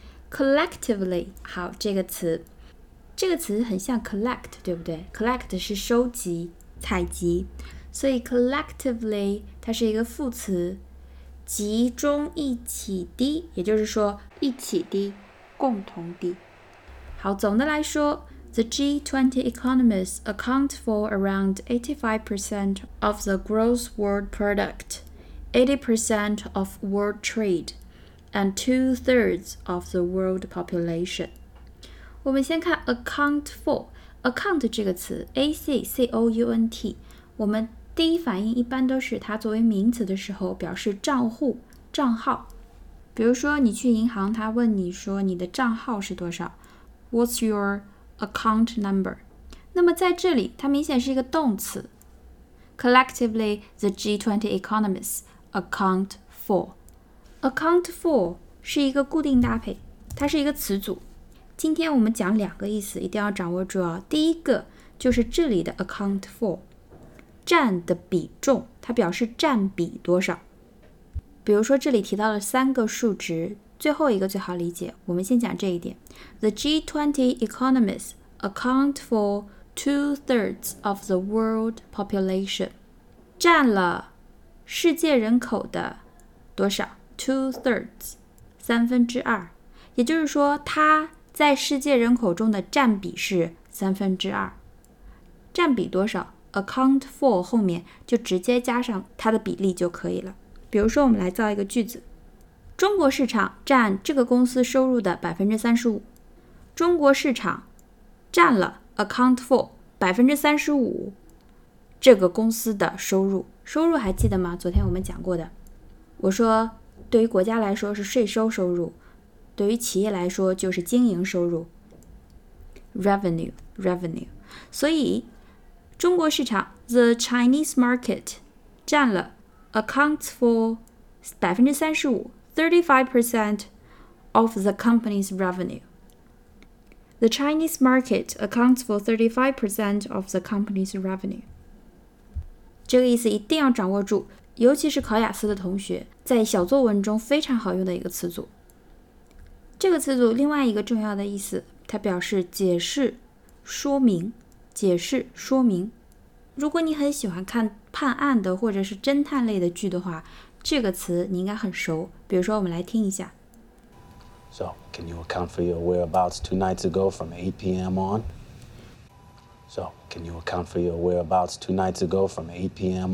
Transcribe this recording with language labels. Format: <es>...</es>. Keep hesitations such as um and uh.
<zh>Collectively，好这个词，这个词很像 collect，对不对？Collect 是收集、采集，所以 collectively 它是一个副词，集中一起的，也就是说一起的，共同的。好，总的来说。</zh> <en>The G20 economies account for around 85% of the gross world product, 80% of world trade, and two thirds of the world population.</en> <zh>我们先看 account for account 这个词，a c c o u n t。我们第一反应一般都是它作为名词的时候表示账户、账号。比如说你去银行，他问你说你的账号是多少？</zh> <en>What's your Account number，</en> <zh>那么在这里它明显是一个动词。</zh> <en>Collectively, the G20 economies account for.</en> <zh>Account for 是一个固定搭配，它是一个词组。今天我们讲两个意思，一定要掌握住啊。第一个就是这里的 account for，占的比重，它表示占比多少。比如说这里提到了三个数值。最后一个最好理解，我们先讲这一点。</zh> <en>The G20 e c o n o m i s t s account for two thirds of the world population，</en> <zh>占了世界人口的多少？</zh> <en>Two thirds，</en> <zh>三分之二。也就是说，它在世界人口中的占比是三分之二。占比多少？Account for 后面就直接加上它的比例就可以了。比如说，我们来造一个句子。中国市场占这个公司收入的百分之三十五。中国市场占了 account for 百分之三十五这个公司的收入。收入还记得吗？昨天我们讲过的。我说，对于国家来说是税收收入，对于企业来说就是经营收入 （revenue revenue）。所以，中国市场</zh> <en>the Chinese market</en> <zh>占了 accounts for 百分之三十五。</zh> <en>Thirty-five percent of the company's revenue. The Chinese market accounts for thirty-five percent of the company's revenue.</en> <zh>这个意思一定要掌握住，尤其是考雅思的同学，在小作文中非常好用的一个词组。这个词组另外一个重要的意思，它表示解释、说明、解释、说明。如果你很喜欢看判案的或者是侦探类的剧的话。这个词你应该很熟，比如说，我们来听一下。</zh> <en>So can you account for your whereabouts two nights ago from 8 p.m. on? So can you account for your whereabouts two nights ago from 8 p.m.</en>